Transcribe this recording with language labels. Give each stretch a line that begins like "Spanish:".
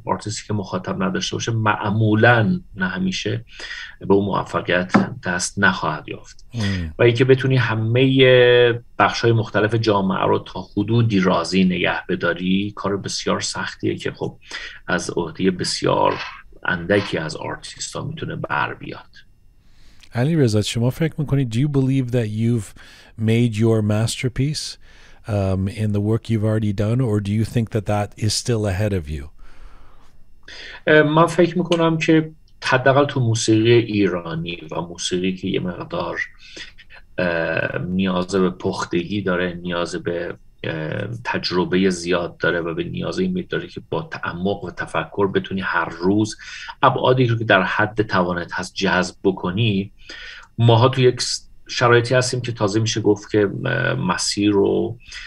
Persian: آرتیستی که مخاطب نداشته باشه معمولا نه همیشه به اون موفقیت دست نخواهد یافت. و اینکه بتونی همه بخش‌های مختلف جامعه رو تا حدودی راضی نگه بداری کار بسیار سختیه که خب از عهده بسیار اندکی از آرتیست ها میتونه بر بیاد.
English: Ali Reza,
Persian: شما فکر میکنید
English: Do you believe that you've made your masterpiece in the work you've already done, or do you think that that is still ahead of you?
Persian: من فکر میکنم که حداقل تو موسیقی ایرانی و موسیقی که یه مقدار نیاز به پختگی داره، نیاز به تجربه زیاد داره و به نیاز این میداره که با تعمق و تفکر بتونی هر روز ابعادی رو که در حد توانت هست جذب بکنی، ماها تو یک شرایطی هستیم که تازه میشه گفت که مسیر رو